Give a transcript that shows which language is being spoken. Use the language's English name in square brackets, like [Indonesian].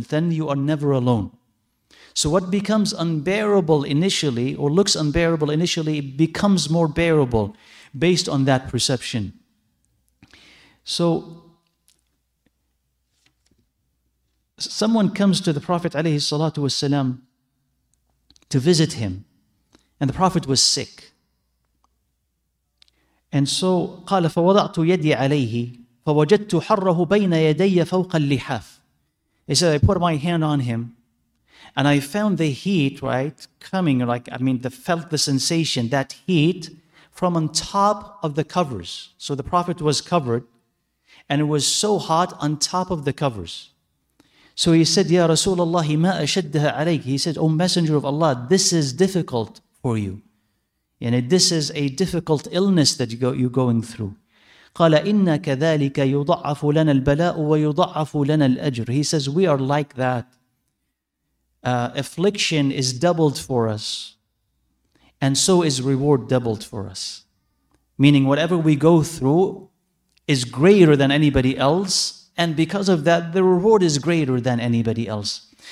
[English] Then you are never alone. So what becomes unbearable initially, or looks unbearable initially, becomes more bearable based on that perception. So someone comes to the Prophet alayhi salatu wasalam to visit him, and the Prophet was sick. And so [Arabic] قال فوضعت يدي عليه فوجدت حره بين يدي فوق اللحاف. [English] He said, I put my hand on him and I found the heat, right, coming, like, I mean, the felt the sensation, that heat from on top of the covers. So the Prophet was covered and it was so hot on top of the covers. So he said, Ya Rasulullah, [Arabic] ما أشدها عليك. [English] He said, O Messenger of Allah, this is difficult for you. And this is a difficult illness that you're going through. [Arabic] قال إن كذلك يضعف لنا البلاء ويضعف لنا الأجر. [English] He says, we are like that. Affliction is doubled for us, and so is reward doubled for us. Meaning whatever we go through is greater than anybody else, and because of that, the reward is greater than anybody else.